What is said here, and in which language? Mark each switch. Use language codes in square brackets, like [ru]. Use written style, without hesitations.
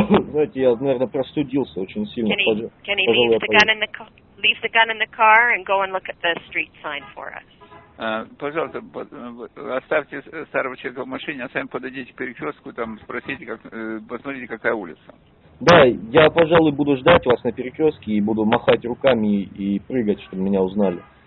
[ru] Знаете, я, наверное, простудился очень сильно. [en] Can he leave the gun in the car and go and look at the street sign for us? [ru] Пожалуйста, оставьте старого человека в машине, а сами подойдите к перекрестку, там спросите, как, посмотрите, какая улица. Да, я, пожалуй, буду ждать вас на перекрестке и буду махать руками и прыгать, чтобы меня узнали.